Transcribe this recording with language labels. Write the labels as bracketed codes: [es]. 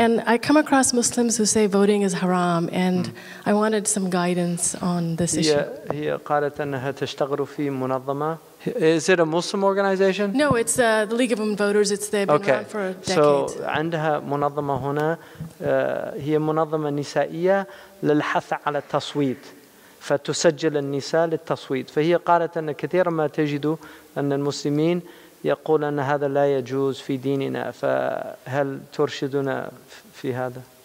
[en] And I come across Muslims who say voting is haram, and I wanted some guidance on this issue. [ar] هي قالت أنها تشتغل في منظمة. [en] Is it a Muslim organization? No, it's the League of Women Voters. It's they've been around for decades. Okay. [ar] So عندها منظمة هنا هي منظمة نسائية للحث على التصويت. فتسجل النساء للتصويت. فهي قالت أن كثيرا ما تجد أن المسلمين يقول أن هذا لا يجوز في ديننا. فهل ترشدنا في هذا؟